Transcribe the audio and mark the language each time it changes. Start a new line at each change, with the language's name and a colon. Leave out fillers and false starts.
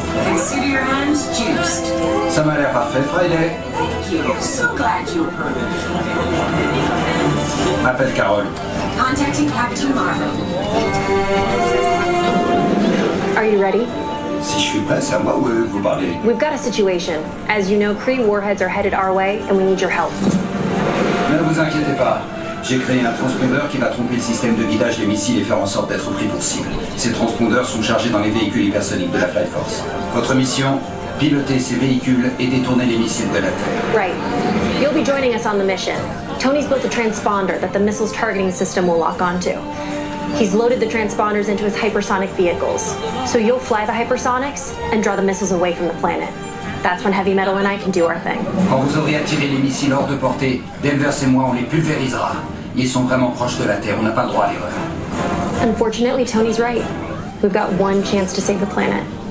English: Consider your hands juiced.
French: Ça m'a l'air parfait, Friday.
English: Thank you. So glad you approved.
French: M'appelle Carole.
English: Contacting Captain Marvel. Are you ready?
French: Si je suis prêt, c'est à moi ou vous parlez?
English: We've got a situation. As you know, Kree warheads are headed our way and we need your help.
French: Ne vous inquiétez pas. J'ai créé un transpondeur qui va tromper le système de guidage des missiles et faire en sorte d'être pris pour cible. Ces transpondeurs sont chargés dans les véhicules hypersoniques de la Flight Force. Votre mission, piloter ces véhicules et détourner les missiles de la Terre.
English: Right. You'll be joining us on the mission. Tony's built a transponder that the missile's targeting system will lock onto. He's loaded the transponders into his hypersonic vehicles. So you'll fly the hypersonics and draw the missiles away from the planet. That's when Heavy Metal and I can do our thing.
French: Quand vous aurez attiré les missiles hors de portée, Denvers et moi, on les pulvérisera. Ils sont vraiment proches de la Terre, on n'a pas le droit à l'erreur.
English: Unfortunately, Tony's right. We've got one chance to save the planet.